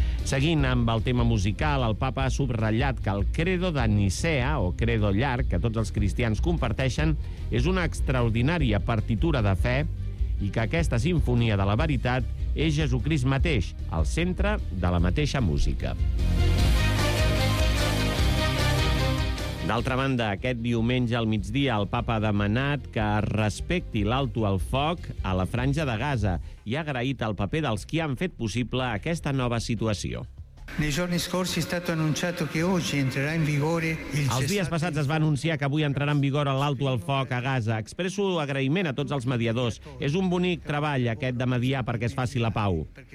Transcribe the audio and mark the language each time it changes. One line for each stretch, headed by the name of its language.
Catalan: Seguint amb el tema musical, el papa ha subratllat que el credo de Nicea, o credo llarg, que tots els cristians comparteixen, és una extraordinària partitura de fe i que aquesta sinfonia de la veritat és Jesucrist mateix, al centre de la mateixa música. D'altra banda, aquest diumenge al migdia el papa ha demanat que es respecti l'alto el foc a la Franja de Gaza i ha agraït el paper dels qui han fet possible aquesta nova situació.
Italian: Nei giorni scorsi è stato annunciato che oggi entrerà in vigore il cessate...
Catalan: Els dies passats es va anunciar que avui entrarà en vigor l'alto el foc a Gaza. Expresso agraïment a tots els mediadors. És un bonic treball aquest de mediar perquè es faci la pau.